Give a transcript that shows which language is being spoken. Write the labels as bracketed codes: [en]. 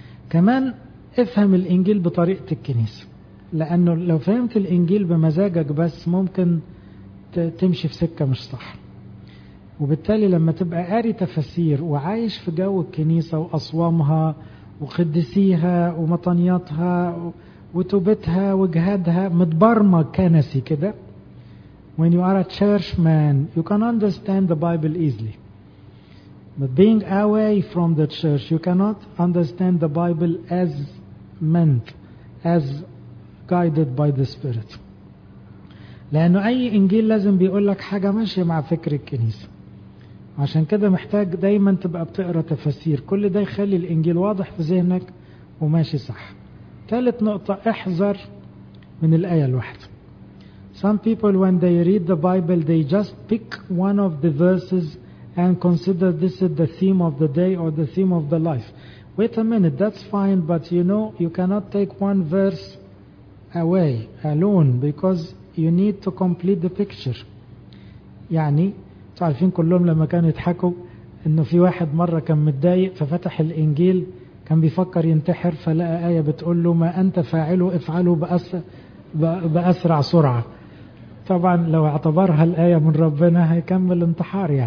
[ar] كمان افهم الانجيل بطريقة الكنيسة، لانه لو فهمت الانجيل بمزاجك بس ممكن تمشي في سكة مش صح. وبالتالي لما تبقى قاري تفسير وعايش في جو الكنيسة واصوامها وخدسيها ومطنياتها وتوبتها وجهادها، متبرمج كنسي كده. [en] When you are a church man you can understand the Bible easily. But being away from the church you cannot understand the Bible as meant, as guided by the Spirit. [ar] لأنه أي إنجيل لازم بيقول لك حاجة ماشية مع فكر الكنيسة. عشان كده محتاج دايما تبقى بتقرأ تفسير، كل ده يخلي الإنجيل واضح في ذهنك وماشي صح. ثالث نقطة، احذر من الآية الواحدة. [en] Some people when they read the Bible, they just pick one of the verses and consider this is the theme of the day or the theme of the life. Wait a minute, that's fine, but you know, you cannot take one verse away, alone, because you need to complete the picture. [ar] يعني تعرفين كلهم لما كانوا يضحكوا انه في واحد مرة كان متضايق ففتح الانجيل كان بيفكر ينتحر فلقى آية بتقول له ما انت فاعله افعله بأسرع سرعة. طبعا لو اعتبرها الآية من ربنا هيكمل انتحار.